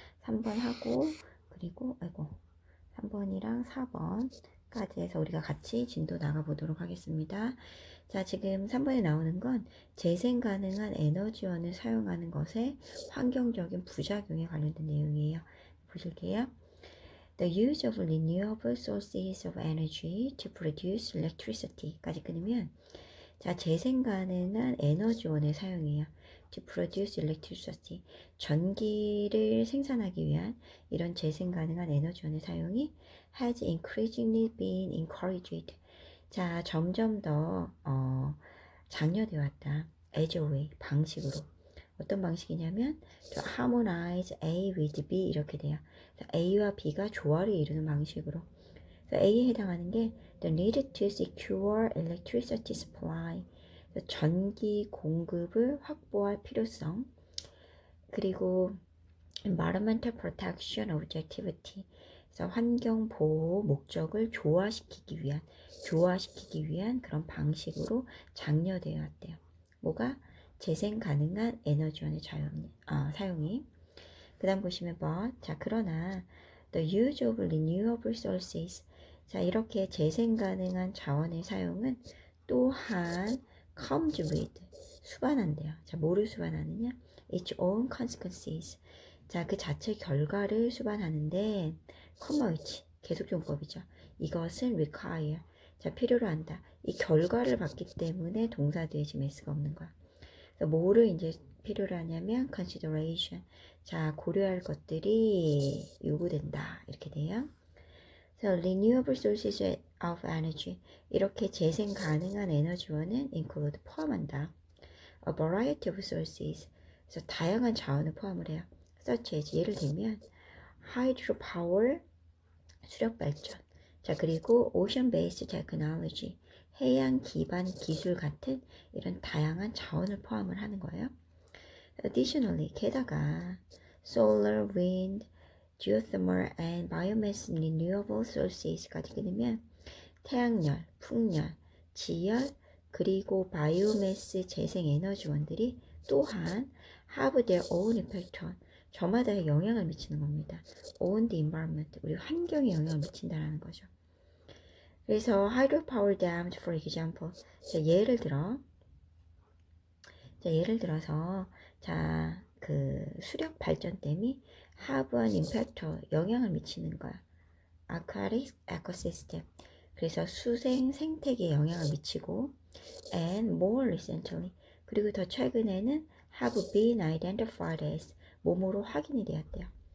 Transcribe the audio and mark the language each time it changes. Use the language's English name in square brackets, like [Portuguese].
[Korean] 3번 하고 그리고 아이고. 3번이랑 4번까지 해서 우리가 같이 진도 나가 보도록 하겠습니다. 자, 지금 3번에 나오는 건 재생 가능한 에너지원을 사용하는 것의 환경적인 부작용에 관련된 내용이에요. 보실게요. [English] The use of renewable sources of energy to produce electricity [Korean] 까지 끊으면 자, 재생 가능한 에너지원의 사용이에요. [English] To produce electricity. [Korean] 전기를 생산하기 위한 이런 재생 가능한 에너지원의 사용이 [English] has increasingly been encouraged. [Korean] 자, 점점 더, 장려되어 왔다. [English] As a way, [Korean] 방식으로. 어떤 방식이냐면, [English] to harmonize A with B 이렇게 돼요. [Korean] A와 B가 조화를 이루는 방식으로. A에 해당하는 게 [English] the need to secure electricity supply. [Korean] 전기 공급을 확보할 필요성. 그리고 [English] environmental protection objectivity. [Korean] 환경 보호 목적을 조화시키기 위한 그런 방식으로 장려되어 왔대요. 뭐가? 재생 가능한 에너지원의 사용이. 그다음 보시면 뭐? 자, 그러나 [English] the use of renewable sources. [Korean] 자, 이렇게 재생 가능한 자원의 사용은 또한 [English] comes with, [Korean] 수반한대요. 자, 뭐를 수반하느냐? [English] its own consequences. [Korean] 자, 그 자체 결과를 수반하는데, [English] comma which, [Korean] 계속 존법이죠. 이것은 [English] require, [Korean] 자, 필요로 한다. 이 결과를 받기 때문에 동사 뒤에 지금 s가 없는 거야. 뭐를 이제 필요로 하냐면, [English] consideration. [Korean] 자, 고려할 것들이 요구된다. 이렇게 돼요. [English] So, renewable sources of energy. [Korean] 이렇게 재생 가능한 에너지원은 [English] include, [Korean] 포함한다. [English] A variety of sources. [Korean] 그래서 다양한 자원을 포함을 해요. [English] Such as, [Korean] 예를 들면, hydropower, 수력 발전. 자, 그리고 [English] ocean-based technology. [Korean] 해양 기반 기술 같은 이런 다양한 자원을 포함을 하는 거예요. [English] Additionally, [Korean] 게다가, [English] solar, wind, geothermal and biomass renewable sources [Korean] 까지 끊으면 태양열, 풍열, 지열, 그리고 바이오매스 재생 에너지원들이 또한 [English] have their own effect on [Korean] 저마다의 영향을 미치는 겁니다. [English] on the environment, [Korean] 우리 환경에 영향을 미친다라는 거죠. 그래서 [English] hydropower dams for example. [Korean] 자, 예를 들어. 자, 예를 들어서 자, 그 수력 발전댐이 [English] have an impact, [Korean] 영향을 미치는 거야. [English] aquatic ecosystem. [Korean] 그래서 수생 생태계에 영향을 미치고, [English] and more recently, [Korean] 그리고 더 최근에는 [English] have been identified as [Korean] 몸으로 확인이 되었대요.